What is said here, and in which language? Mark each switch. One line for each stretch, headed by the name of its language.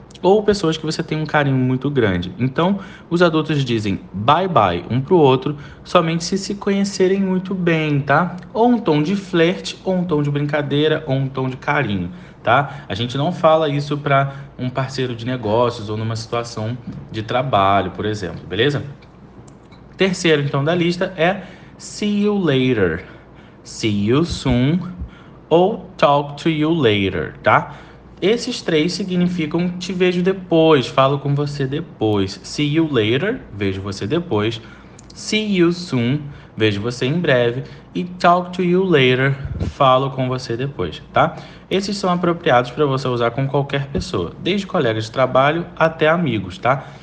Portuguese: Ou pessoas que você tem um carinho muito grande. Então, os adultos dizem bye-bye um pro outro somente se conhecerem muito bem, tá? Ou um tom de flerte, ou um tom de brincadeira, ou um tom de carinho. Tá? A gente não fala isso para um parceiro de negócios ou numa situação de trabalho, por exemplo, beleza? Terceiro, então, da lista é
English: see you later. See you soon ou talk to you later, tá?
Portuguese: Esses três significam te vejo depois, falo com você depois.
English: See you later,
Portuguese: vejo você depois.
English: See you soon,
Portuguese: vejo você em breve. E
English: talk to you later,
Portuguese: falo com você depois, tá? Esses são apropriados para você usar com qualquer pessoa, desde colegas de trabalho até amigos, tá?